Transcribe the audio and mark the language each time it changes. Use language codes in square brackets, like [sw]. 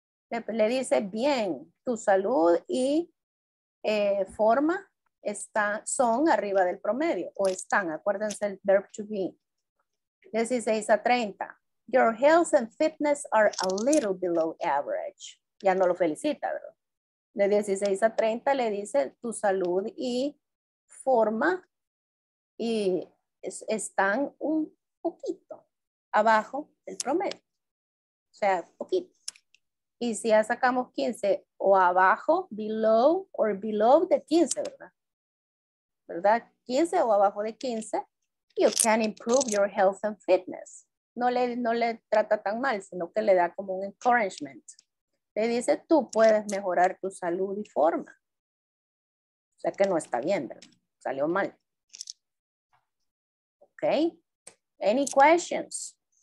[es] Le dice, bien, tu salud y forma son arriba del promedio. O están, acuérdense el verb to be. 16 a 30. [en] Your health and fitness are a little below average. [es] Ya no lo felicita, ¿verdad? De 16 a 30 le dice, tu salud y forma y están un poquito abajo del promedio. O sea, poquito. Y si ya sacamos 15 o abajo, [en] below or below [es] de 15, ¿verdad? ¿Verdad? 15 o abajo de 15, [en] you can improve your health and fitness. [es] No le trata tan mal, sino que le da como un encouragement. Le dice, tú puedes mejorar tu salud y forma. O sea que no está bien, ¿verdad? Salió mal. [en] Ok. Any questions?